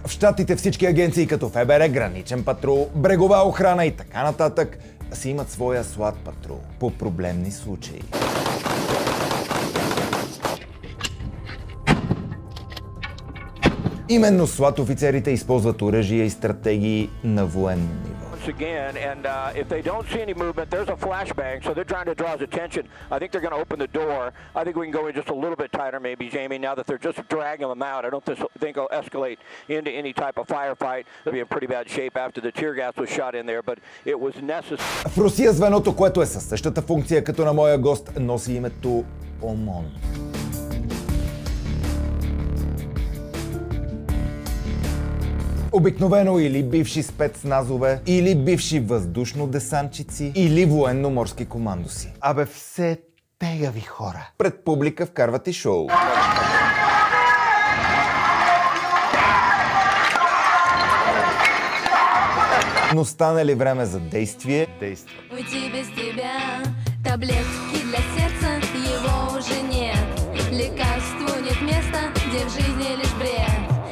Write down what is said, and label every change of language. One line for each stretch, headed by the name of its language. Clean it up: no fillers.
Bulgarian: В щатите всички агенции като ФБР, граничен патрул, брегова охрана и така нататък си имат своя СУАТ патрул по проблемни случаи. Именно СУАТ офицерите използват оръжия и стратегии на военно ниво.
English: If they don't see any movement, there's a flashbang, so they're trying to draw his attention. I think they're going to open the door. I think we can go in just a little bit tighter maybe, Jamie, now that they're just dragging them out. I don't think it'll escalate into any type of firefight. It'll be in pretty bad shape after the tear gas was shot in there, but it was necessary.
Bulgarian: В Русия звеното, което е със същата функция като на моя гост, носи името ОМОН. Обикновено или бивши спецназове, или бивши въздушно-десантчици, или военно-морски командоси. Абе, все тегави хора. Пред публика вкарват и шоу. Но стане ли време за действие? Действа.
Russian: Уйти без тебя, таблетки для сердца, его уже нет. Лекарству нет места, где в жизни лишь бред.